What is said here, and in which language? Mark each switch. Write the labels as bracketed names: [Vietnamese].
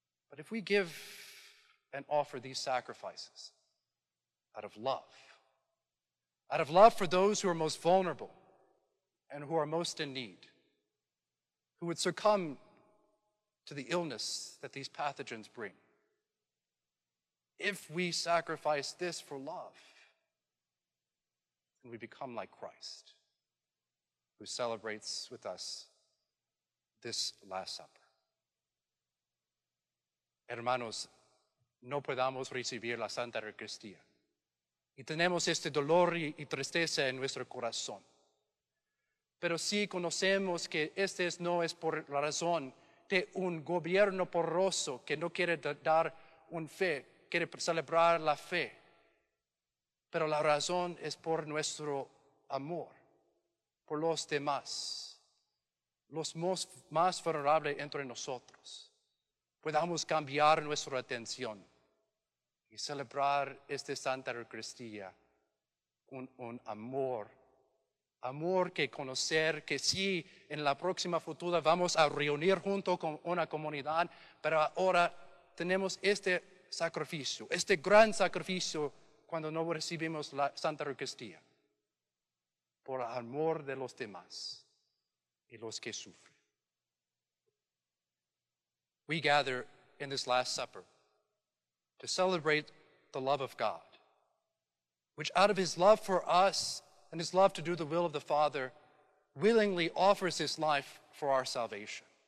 [English] But if we give and offer these sacrifices out of love for those who are most vulnerable and who are most in need, who would succumb to the illness that these pathogens bring, if we sacrifice this for love, then we become like Christ, who celebrates with us this Last Supper. [Spanish] Hermanos, no podamos recibir la Santa Eucaristía, y tenemos este dolor y tristeza en nuestro corazón. Pero sí conocemos que este no es por la razón de un gobierno poroso que no quiere dar una fe, quiere celebrar la fe. Pero la razón es por nuestro amor, por los demás, los más vulnerables entre nosotros. Podamos cambiar nuestra atención y celebrar esta Santa Eucaristía con un amor. Amor que conocer que sí, en la próxima futura vamos a reunir junto con una comunidad, pero ahora tenemos este sacrificio, este gran sacrificio cuando no recibimos la Santa Eucaristía. Por amor de los demás y los que sufren. [English] We gather in this Last Supper to celebrate the love of God, which out of his love for us and his love to do the will of the Father, willingly offers his life for our salvation.